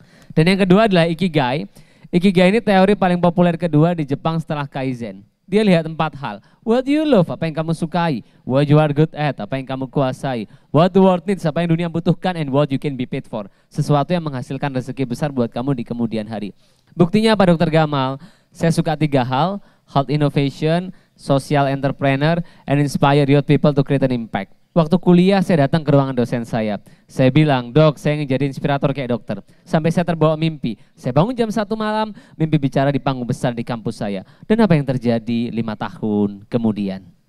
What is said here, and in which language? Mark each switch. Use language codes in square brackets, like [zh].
[id] Dan yang kedua adalah Ikigai. Ikigai ini teori paling populer kedua di Jepang setelah Kaizen. Dia lihat empat hal. [en] What you love, [id] apa yang kamu sukai. [en] What you are good at, [id] apa yang kamu kuasai. [en] What the world needs, [id] apa yang dunia butuhkan. [en] And what you can be paid for. [id] Sesuatu yang menghasilkan rezeki besar buat kamu di kemudian hari. Buktinya apa Dr. Gamal? Saya suka tiga hal. [en] Hot innovation, social entrepreneur, and inspire youth people to create an impact. [id] Waktu kuliah saya datang ke ruangan dosen saya. Saya bilang, dok saya ingin jadi inspirator kayak dokter. Sampai saya terbawa mimpi. Saya bangun jam 1 malam, mimpi bicara di panggung besar di kampus saya. Dan apa yang terjadi 5 tahun kemudian?